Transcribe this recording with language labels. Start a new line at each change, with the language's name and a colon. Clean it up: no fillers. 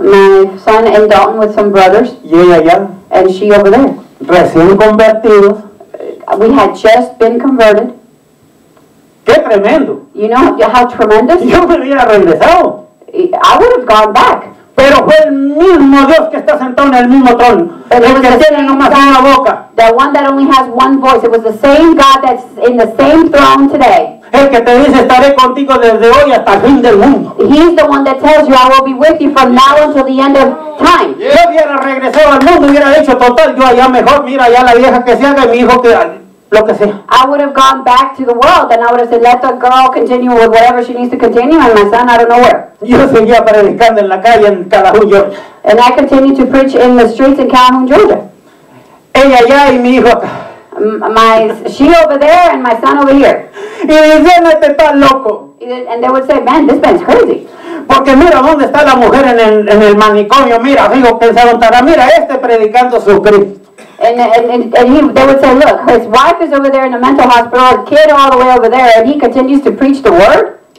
English: My son in Dalton with some brothers.
Spanish: Y ella allá.
English: And she over there.
Spanish: Recién convertidos.
English: We had just been converted.
Spanish: Qué tremendo.
English: You know how tremendous?
Spanish: Yo me hubiera regresado.
English: I would have gone back.
Spanish: Pero fue el mismo Dios que está sentado en el mismo trono.
English: But
Spanish: el que tiene nomás una boca.
English: The one that only has one voice. It was the same God that's in the same throne today.
Spanish: El que te dice estaré contigo desde hoy hasta el fin del mundo.
English: He's the one that tells you I will be with you from now until the end of time.
Spanish: Yo hubiera regresado al mundo y hubiera dicho total, yo allá mejor, mira allá la vieja que se haga y mi hijo que... Lo que sea.
English: I would have gone back to the world and I would have said, let the girl continue with whatever she needs to continue, and my son, I don't know where.
Spanish: Yo seguía predicando en la calle en Calhoun, Georgia.
English: And I continued to preach in the streets in Calhoun, Georgia.
Spanish: Ella allá y mi hijo acá.
English: She over there and my son over here.
Spanish: Y decían, este está loco.
English: And they would say, man, this man's crazy.
Spanish: Porque mira dónde está la mujer en el manicomio. Mira, digo, pensaron, mira, este predicando su Cristo.
English: And they would say, look, his wife is over there in a mental hospital, a kid all the way over there, and he continues to preach the word.